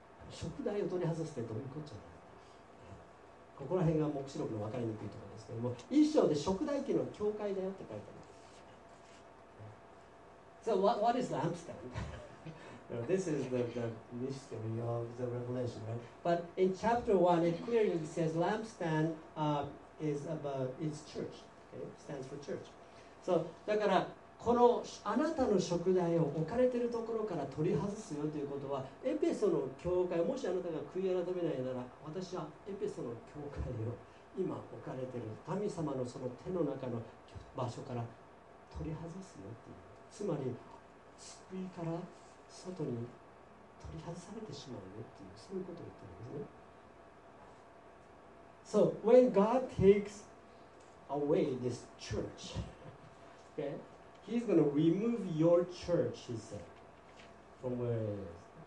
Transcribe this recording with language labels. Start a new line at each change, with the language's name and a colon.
Japanese: 食材を取り外すってどういうことじゃない？ここら辺が黙示録の分かりにくいところですけども、一章で食材っていうのは教会だよって書いてあります。
English: So what is lampstand? Now, this is the mystery of the revelation, right? But in chapter 1, it clearly says lampstand is about its church. Okay? Stands for church.
Japanese: So, だから、このあなたの食材を置かれているところから取り外すよということは、エペソの教会、もしあなたが悔い改めないなら、私はエペソの教会を今置かれている神様のその手の中の場所から取り外すよっていう。つまり、救いから外に取り外されてしまうよっていう、そういうことを言ってるんですね。
English: So, when God takes away this church, okay, He's going to remove your church, He said, from where it is.